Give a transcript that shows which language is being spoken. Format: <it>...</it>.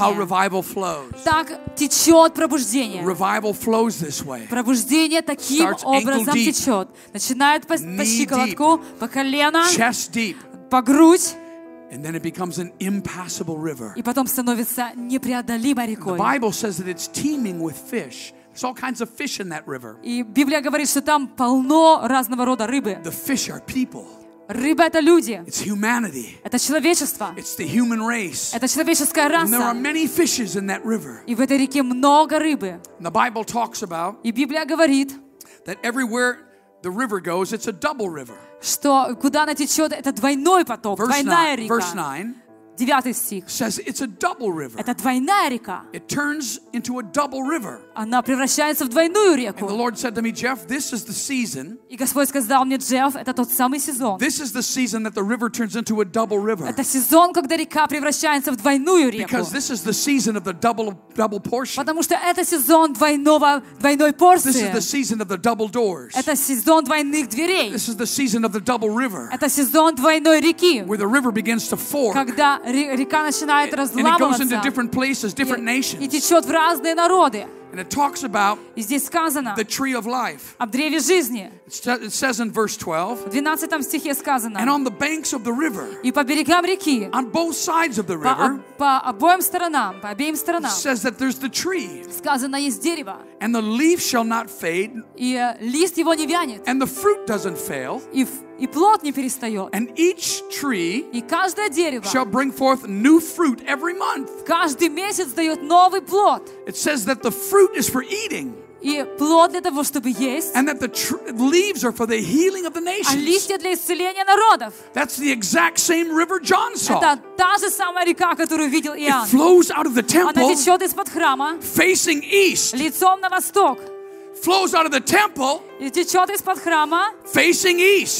<en>That's how revival flows.</en> <ru>Так течет пробуждение.</ru> <en>Revival flows this way.</en> <ru>Пробуждение таким</ru> <en>Starts</en> <ru>образом</ru> <en>ankle deep.</en> <ru>Течет. Начинает по щиколотку,</ru> <en>deep.</en> <ru>По колено.</ru> <en>Chest deep.</en> <ru>По грудь.</ru> <en>And then it becomes an impassable river.</en> <ru>И потом становится непреодолимой рекой.</ru> <en>The Bible says that it's teeming with fish. There's all kinds of fish in that river.</en> <ru>И Библия говорит, что там полно разного рода рыбы.</ru> <en>The fish are people.</en> <ru>Рыба — это люди.</ru> <en>It's humanity.</en> <ru>Это человечество.</ru> <en>It's the human race.</en> <ru>Это человеческая раса.</ru> <en>And there are many fishes in that river.</en> <ru>И в этой реке много рыбы.</ru> <en>And the Bible talks about.</en> <ru>И Библия говорит.</ru> <en>That everywhere the river goes, it's a double river.</en> <ru>Что куда она течет, это двойной поток,</ru> <en>verse</en> <ru>двойная река.</ru> <en>Verse 9.</en> <ru>Девятый стих.</ru> <en>Says it's a double river.</en> <ru>Это двойная река.</ru> <en>It turns into a double river.</en> <ru>Она превращается в двойную реку.</ru> <en>And the Lord said to me, Jeff, this is the season.</en> <ru>И Господь сказал мне, Джефф, это тот самый сезон.</ru> <en>This is the season that the river turns into a double river.</en> <ru>Это сезон, когда река превращается в двойную реку.</ru> <en>Because this is the season of the double portion.</en> <ru>Потому что это сезон двойной порции.</ru> <en>This is the season of the double doors.</en> <ru>Это сезон двойных дверей.</ru> <en>This is the season of the double river.</en> <ru>Это сезон двойной реки.</ru> <en>Where the river begins to fork.</en> <ru>Когда река начинает разламываться.</ru> <en>And it goes into different places, different nations.</en> <ru>И течет в разные народы.</ru> <en>And it talks about</en> <ru>сказано,</ru> <en>the tree of life.</en> <ru>Об древе жизни.</ru> <en>It says in verse 12.</en> <ru>В 12 стихе сказано.</ru> <en>And on the banks of the river.</en> <ru>И по берегам реки.</ru> <en>On both sides of the river.</en> <ru>По обеим сторонам.</ru> <en>Says that there's the tree.</en> <ru>Сказано, есть дерево.</ru> <en>And the leaf shall not fade.</en> <ru>И лист его не вянет.</ru> <en>And the fruit doesn't fail.</en> <ru>И плод не перестает.</ru> <en>And each tree</en> <ru>и каждое дерево</ru> <en>shall bring forth new fruit every month.</en> <ru>Каждый месяц дает новый плод.</ru> <en>It says that the fruit is for eating.</en> <ru>И плод для того, чтобы есть.</ru> <en>And that the leaves are for the healing of the nations.</en> <ru>А листья для исцеления народов.</ru> <en>That's the exact same river John saw.</en> <ru>Это та же самая река, которую видел Иоанн.</ru> <en>It flows out of the temple.</en> <ru>Она течет из-под храма.</ru> <en>Facing east.</en> <ru>Лицом на восток.</ru> <en>Flows out of the temple.</en> <ru>И течет из-под храма.</ru> <en>Facing east.</en>